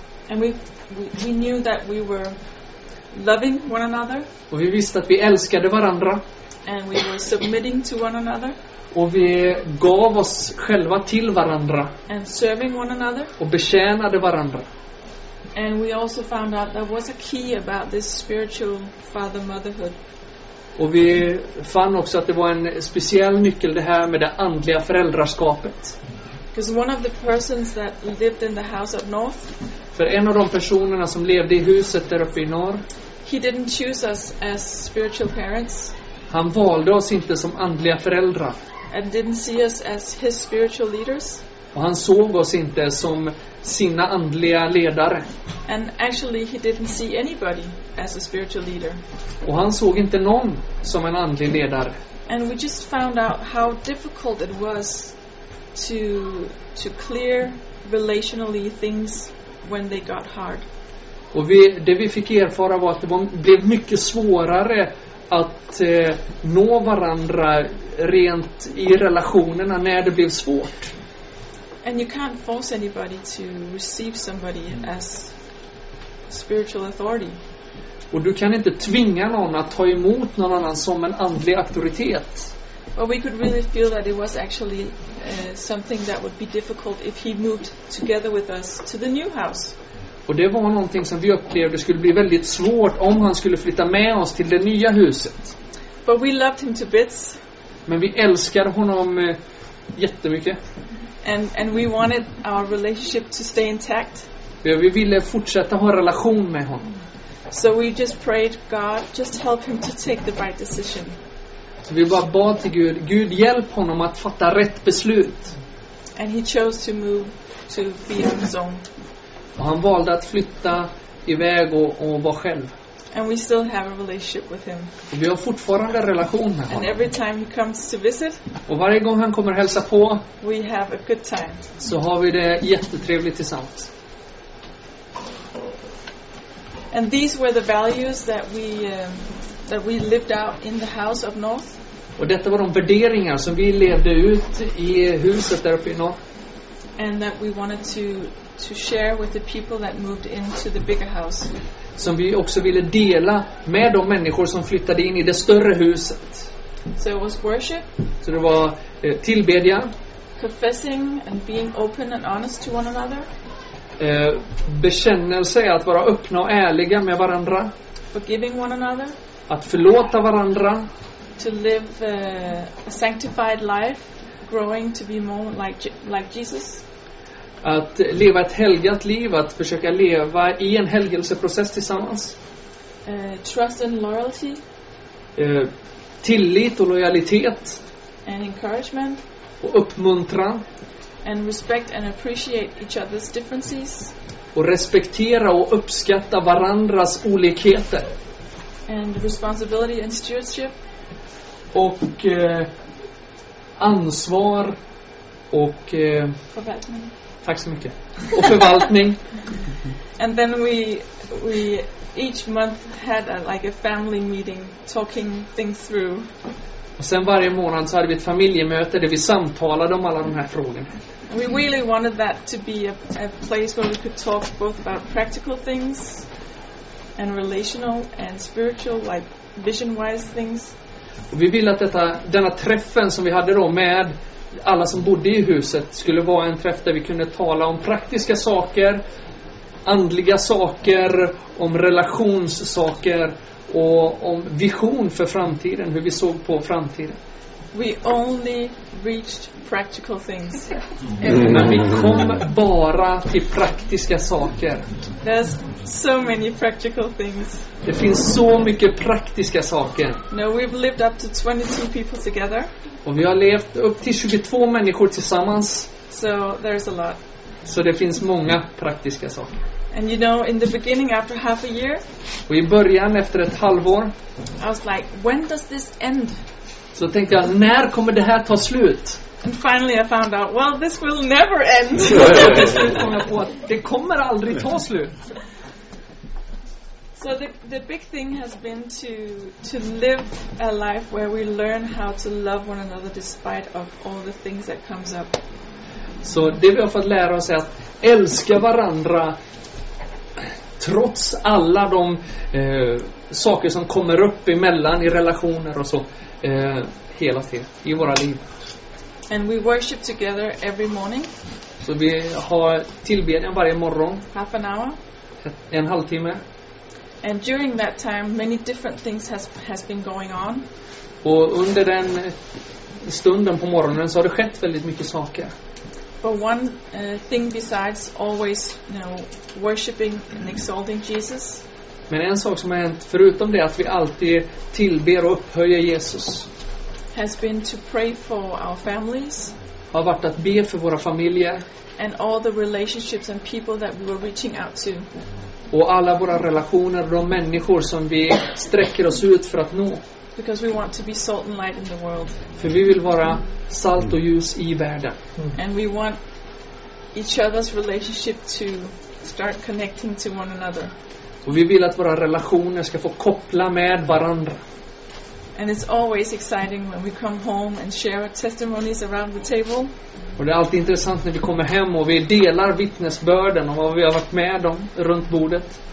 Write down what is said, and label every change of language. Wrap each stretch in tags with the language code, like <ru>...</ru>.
<en>And we knew that we were loving one another.</en> <sv>Och vi visste att vi älskade varandra.</sv> <en>And we were submitting to one another.</en> <sv>Och vi gav oss själva till varandra.</sv> <en>And serving one another.</en> <sv>Och betjänade varandra.</sv> <en>And we also found out there was a key about this spiritual father motherhood.</en> <sv>Och vi fann också att det var en speciell nyckel det här med det andliga föräldraskapet.</sv> <en>Because one of the persons that lived in the house up north.</en> <sv>För en av de personerna som levde i huset där uppe i norr.</sv> <en>He didn't choose us as spiritual parents.</en> <sv>Han valde oss inte som andliga föräldrar.</sv> <en>And didn't see us as his spiritual leaders.</en> <sv>Och han såg oss inte som sina andliga ledare.</sv> <en>And actually he didn't see anybody as a spiritual leader.</en> <sv>Och han såg inte någon som en andlig ledare.</sv> <en>And we just found out how difficult it was to clear relationally things when they got hard.</en> <sv>Och det vi fick erfara var att det blev mycket svårare att nå varandra rent i relationerna när det blev svårt.</sv> <en>And you can't force anybody to receive somebody as spiritual authority.</en> <sv>Och du kan inte tvinga någon att ta emot någon annan som en andlig auktoritet.</sv> <en>But we could really feel that it was actually something that would be difficult if he moved together with us to the new house.</en> <sv>Och det var någonting som vi upplevde skulle bli väldigt svårt om han skulle flytta med oss till det nya huset.</sv> <en>But we loved him to bits.</en> <sv>Men vi älskade honom jättemycket.</sv> <en>And we wanted our relationship to stay intact.</en> <sv>Ja, vi ville fortsätta ha relation med honom.</sv> <en>So we just prayed, God, just help him to take the right decision.</en> <sv>Så vi bara bad till Gud, Gud hjälp honom att fatta rätt beslut.</sv> <en>And he chose to move to be on his own.</en> <sv>Och han valde att flytta iväg och vara själv.</sv> <en>And we still have a relationship with him.</en> <sv>Vi har fortfarande relation med honom.</sv> <en>And every time he comes to visit,</en> <sv>och varje gång han kommer hälsa på,</sv> <en>we have a good time.</en> <sv>Så har vi det jättetrevligt tillsammans.</sv> <en>And these were the values that we lived out in the house of North.</en> <sv>Och detta var de värderingar som vi levde ut i huset där uppe i norr.</sv> <en>And that we wanted to share with the people that moved into the bigger house.</en> <sv>Som vi också ville dela med de människor som flyttade in i det större huset.</sv> <en>So it was worship.</en> <sv>Så det var tillbedjan.</sv> <en>Confessing and being open and honest to one another.</en> <sv>Bekännelse, att vara öppna och ärliga med varandra.</sv> <en>Forgiving one another.</en> <sv>Att förlåta varandra.</sv> <en>To live a sanctified life, growing to be more like Jesus.</en> <sv>Att leva ett helgat liv, att försöka leva i en helgelseprocess tillsammans.</sv> <en>Trust and loyalty.</en> <sv>Tillit och lojalitet.</sv> <en>And encouragement.</en> <sv>Och uppmuntran.</sv> <en>And respect and appreciate each other's differences.</en> <sv>Och respektera och uppskatta varandras olikheter.</sv> <en>And responsibility and stewardship.</en> <sv>Och ansvar och förvaltning. Tack så mycket. Och förvaltning.</sv> <en>And then we each month had a family meeting talking things through.</en> <sv>Och sen varje månad så hade vi ett familjemöte där vi samtalade om alla de här frågorna.</sv> <en>We really wanted that to be a place where we could talk both about practical things and relational and spiritual, like vision-wise things.</en> <sv>Och vi ville att denna träffen som vi hade då med alla som bodde i huset skulle vara en träff där vi kunde tala om praktiska saker, andliga saker, om relationssaker och om vision för framtiden, hur vi såg på framtiden.</sv> <en>We only reached practical things.</en> <sv>Men vi kom bara till praktiska saker.</sv> <en>There's so many practical things.</en> <sv>Det finns så mycket praktiska saker.</sv> <en>No, we've lived up to 22 people together.</en> <sv>Och vi har levt upp till 22 människor tillsammans.</sv> <en>So there's a lot.</en> <sv>Så det finns många praktiska saker.</sv> <en>And you know, in the beginning, after half a year,</en> <sv>och i början efter ett halvår,</sv> <en>I was like, when does this end?</en> <sv>Så tänkte jag, när kommer det här ta slut?</sv> <en>And finally I found out, well, this will never end.</en> <sv>Det kommer aldrig ta slut.</sv> <en>So the big thing has been to live a life where we learn how to love one another despite of all the things that comes up.</en> <sv>Så det vi har fått lära oss är att älska varandra trots alla de saker som kommer upp emellan i relationer och så. Hela tiden i våra liv.</sv> <en>And we worship together every morning.</en> <sv>Så vi har tillbedjan varje morgon.</sv> <en>Half an hour.</en> <sv>En halvtimme.</sv> <en>And during that time many different things has been going on.</en> <sv>Och under den stunden på morgonen så har det skett väldigt mycket saker.</sv> <en>But one thing besides always, you know, worshiping and exalting Jesus.</en> <sv>Men en sak som har hänt förutom det, att vi alltid tillber och upphöjer Jesus,</sv> <en>has been to pray for our families.</en> <sv>Har varit att be för våra familjer.</sv> <en>And all the relationships and people that we were reaching out to.</en> <sv>Och alla våra relationer och de människor som vi sträcker oss ut för att nå.</sv> <en>Because we want to be salt and light in the world.</en> <sv>För vi vill vara salt och ljus i världen.</sv> <en>And we want each other's relationship to start connecting to one another.</en> <sv>Och vi vill att våra relationer ska få koppla med varandra.</sv> <en>And it's always exciting when we come home and share testimonies around the table.</en> <sv>Och det är alltid intressant när vi kommer hem och vi delar vittnesbörden om vad vi har varit med om runt bordet.</sv>